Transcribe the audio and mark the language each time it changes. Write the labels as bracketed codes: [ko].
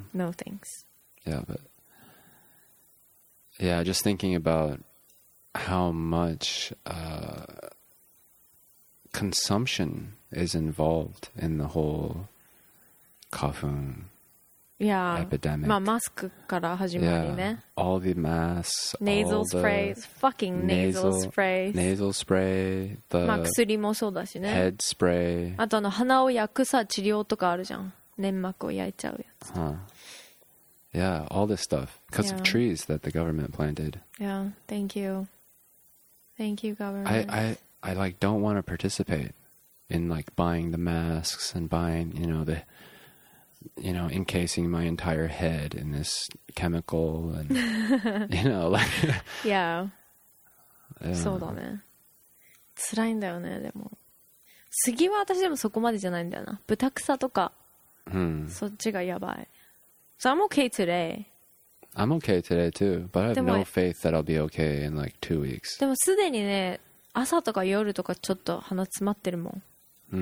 [en] No thanks. Yeah, but... Yeah, just thinking about how much consumption... is involved in the whole 花粉 epidemic. [ja] まあ、マスクから始まりね。 [en] Yeah. All the masks, nasal sprays, fucking nasal sprays. Nasal spray, the [ja] まあ、薬もそうだしね。 [en] Head spray. [ja] あとあの鼻を焼くさ治療とかあるじゃん。粘膜を焼いちゃうやつ。 [en] Yeah, all this stuff because of trees that the government planted. Yeah, thank you, government. I like don't want to participate in like buying the masks and buying, you know, the, you know, encasing my entire head in this chemical and you know, like [ja] yeah. そうだね。辛いんだよね。でも杉は私でもそこまでじゃないんだよな。ブタクサとか、そっちがやばい。 [en] So I'm okay today. I'm okay today too, but I have no faith that I'll be okay in like 2 weeks. [ja] でもすでにね、朝とか夜とかちょっと鼻詰まってるもん。